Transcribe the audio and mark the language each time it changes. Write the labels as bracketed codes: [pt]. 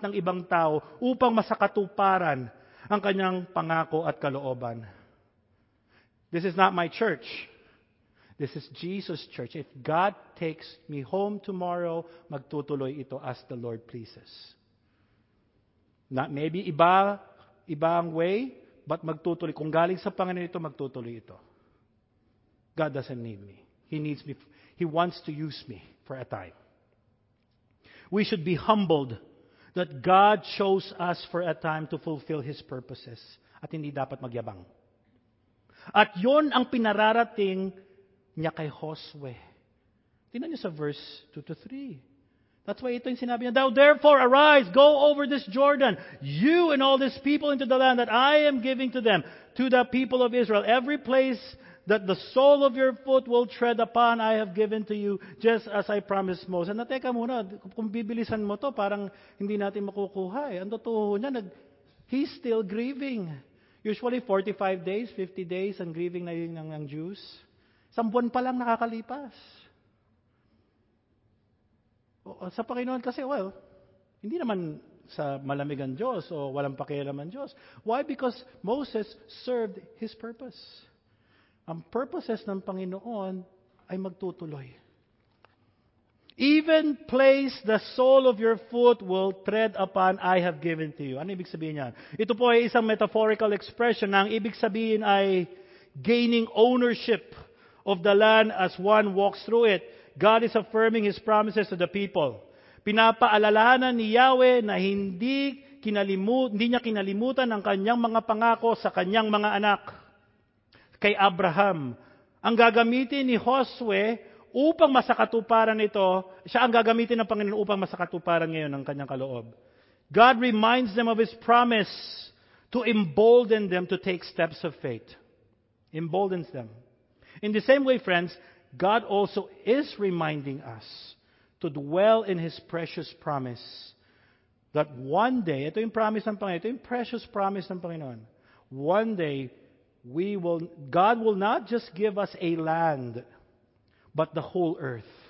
[tl] ng ibang tao upang masakatuparan ang kanyang pangako at kalooban. [en] This is not my church. This is Jesus' church. If God takes me home tomorrow, [tl] magtutuloy ito [en] as the Lord pleases. Not maybe ibang way, but magtutuloy. [tl] Kung galing sa Panginoon ito, magtutuloy ito. [en] God doesn't need me. He needs me. He wants to use me for a time. We should be humbled that God chose us for a time to fulfill His purposes. [tl] At hindi dapat magyabang. At yon ang pinararating niya kay Josue. Tingnan niyo sa verse 2 to 3. [en] That's why [tl] ito yung sinabi niya, [en] "Thou therefore arise, go over this Jordan, you and all this people into the land that I am giving to them, to the people of Israel. Every place that the sole of your foot will tread upon, I have given to you, just as I promised Moses." [tl] Na teka muna, kung bibilisan mo to, parang hindi natin makukuha. Ang totoo niya, [en] he's still grieving. Usually 45 days, 50 days, [tl] ang grieving na yun ng Jews. Isang buwan pa lang nakakalipas. Sa Panginoon kasi, well, hindi naman sa malamig ang Diyos o walang pakialam ang Diyos. [en] Why? Because Moses served his purpose. [tl] Ang purposes ng Panginoon ay magtutuloy. [en] "Even place the sole of your foot will tread upon I have given to you." [tl] Ano ibig sabihin niyan? Ito po ay isang [en] metaphorical expression [tl] na ang ibig sabihin ay [en] gaining ownership of the land as one walks through it. God is affirming His promises to the people. [tl] Pinapaalalahanan ni Yahweh na hindi niya kinalimutan ang kanyang mga pangako sa kanyang mga anak. Kay Abraham, ang gagamitin ni Josue upang masakatuparan ito, siya ang gagamitin ng Panginoon upang masakatuparan ngayon ang kanyang kaloob. [en] God reminds them of His promise to embolden them to take steps of faith. Emboldens them. In the same way, friends, God also is reminding us to dwell in His precious promise that one day, [tl] ito yung promise ng Panginoon, [en] ito yung precious promise ng Panginoon, one day, God will not just give us a land, but the whole earth.